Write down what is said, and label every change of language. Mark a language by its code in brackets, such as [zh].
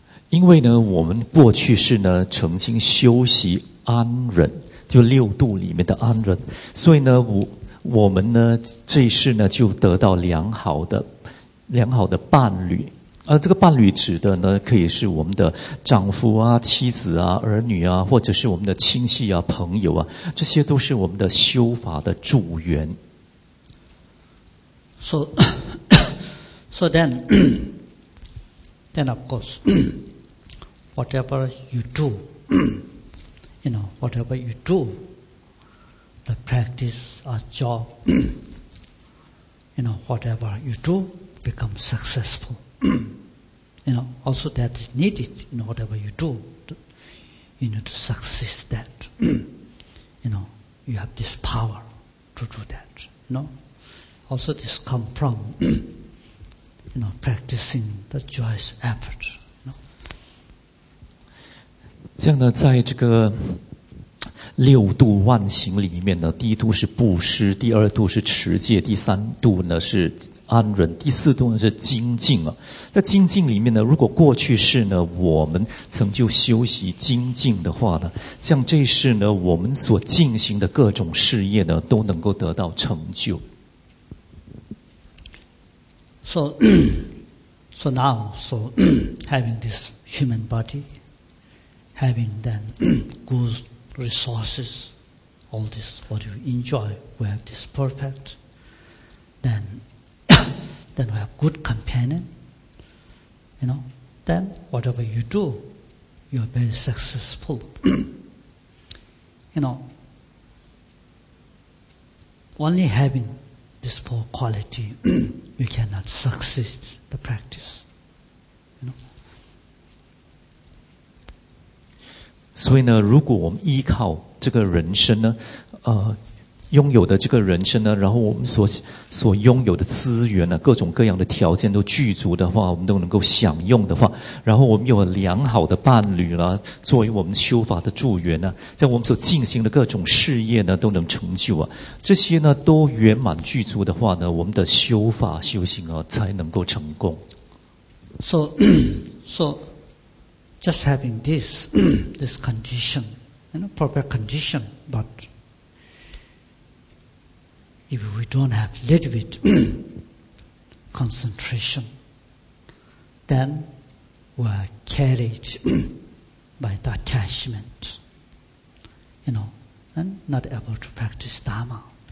[zh] 因为呢，我们过去是呢曾经修习安忍，就六度里面的安忍，所以呢，我们呢这一世呢就得到良好的伴侣。而这个伴侣指的呢，可以是我们的丈夫啊、妻子啊、儿女啊，或者是我们的亲戚啊、朋友啊，这些都是我们的修法的助缘。 [en] So then of course, whatever you do, you know, whatever you do, the practice or job, you know, whatever you do, become successful. You know, also that is needed in whatever you do, you know, to succeed that, you know, you have this power to do that, you know. Also this come from, you know, practicing the joyous effort, you know. [zh] 这样呢，在这个六度万行里面呢，第一度是布施，第二度是持戒，第三度呢是安忍，第四度呢是精进啊。在精进里面呢，如果过去世呢我们曾就修习精进的话呢，像这世呢我们所进行的各种事业呢都能够得到成就。 [en] So now, so having this human body, having then good resources, all this what you enjoy, we have this perfect, then we have good companion, you know, then whatever you do, you are very successful. You know, only having this poor quality, you cannot succeed the practice, you know. [zh] 所以呢，如果我们依靠这个人生呢，拥有的这个人生呢，然后我们所拥有的资源呢，各种各样的条件都具足的话，我们都能够享用的话，然后我们有良好的伴侣了，作为我们修法的助缘呢，在我们所进行的各种事业呢，都能成就啊，这些呢都圆满具足的话呢，我们的修法修行啊才能够成功。 [en] So. Just having this condition, you know, perfect condition, but if we don't have little bit concentration, then we are carried by the attachment, you know, and not able to practice Dharma.